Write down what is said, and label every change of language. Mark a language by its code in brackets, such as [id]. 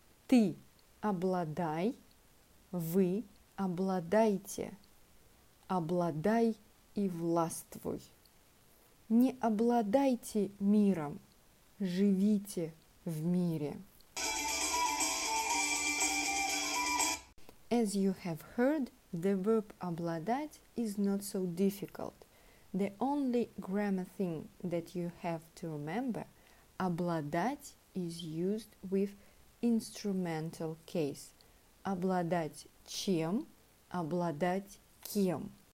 [ru] Ты обладай, вы обладайте. Обладай и властвуй. Не обладайте миром, живите в мире. [en] As you have heard, the verb обладать is not so difficult. The only grammar thing that you have to remember, обладать is used with instrumental case. [ru] Обладать чем, обладать кем.